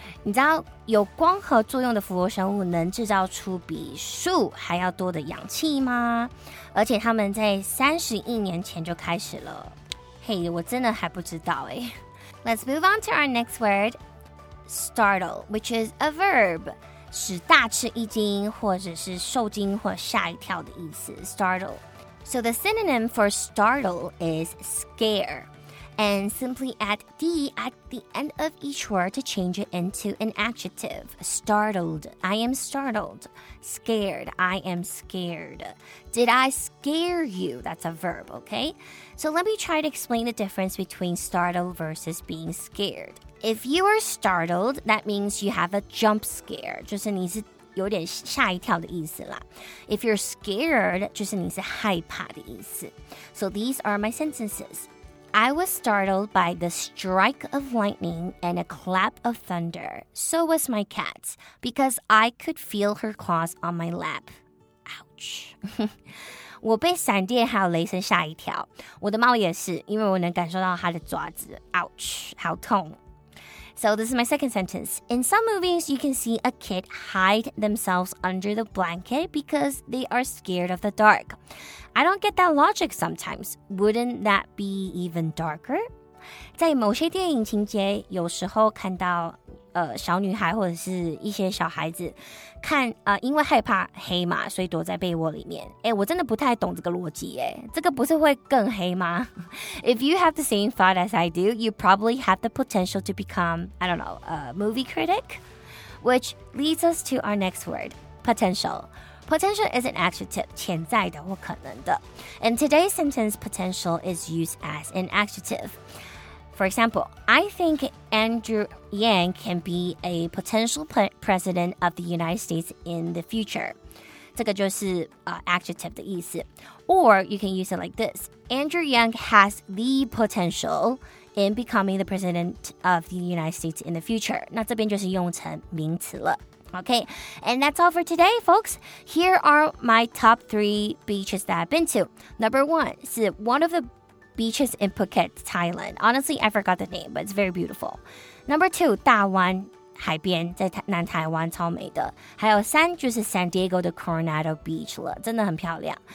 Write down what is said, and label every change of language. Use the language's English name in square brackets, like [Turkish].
[Chinese] 你知道有光合作用的浮游生物能制造出比树还要多的氧气吗？而且他们在30亿年前就开始了。 Hey, 我真的还不知道耶。 [English] Let's move on to our next word, startle, which is a verb. [Chinese] 使大吃一惊或者是受惊或吓一跳的意思 startle. [English] So the synonym for startle is scare. And simply add D at the end of each word to change it into an adjective. Startled, I am startled. Scared, I am scared. Did I scare you? That's a verb, okay? So let me try to explain the difference between startle versus being scared. If you are startled, that means you have a jump scare. [Chinese] 就是你是有点吓一跳的意思啦。 [English] If you're scared, [Chinese] 就是你是害怕的意思。 [English] So these are my sentences. I was startled by the strike of lightning and a clap of thunder. So was my cat, because I could feel her claws on my lap. Ouch. [Chinese] 我被闪电还有雷声吓一跳。我的猫也是，因为我能感受到它的爪子。 [English] Ouch, [Chinese] 好痛。 [English] So this is my second sentence. In some movies, you can see a kid hide themselves under the blanket because they are scared of the dark. I don't get that logic sometimes. Wouldn't that be even darker? [Chinese] 在某些电影情节，有时候看到小女孩或者是一些小孩子看因为害怕黑嘛，所以躲在被窝里面。欸，我真的不太懂这个逻辑耶，这个不是会更黑吗？ [English] If you have the same thought as I do, you probably have the potential to become, I don't know, a movie critic? Which leads us to our next word, potential. Potential is an adjective, [Chinese] 潜在的或可能的。 [English] And today's sentence, potential, is used as an adjective. For example, I think Andrew Yang can be a potential president of the United States in the future. [Chinese] 这个就是adjective 的意思。 [English] Or you can use it like this. Andrew Yang has the potential in becoming the president of the United States in the future. [Chinese] 那这边就是用成名词了。 [English] Okay, and that's all for today, folks. Here are my top 3 beaches that I've been to. Number 1 是 one of the... beaches in Phuket, Thailand. Honestly, I forgot the name, but it's very beautiful. [Chinese] Number 2, 大湾海边在南台湾超美的。还有3就是 San Diego 的 Coronado Beach 了，真的很漂亮。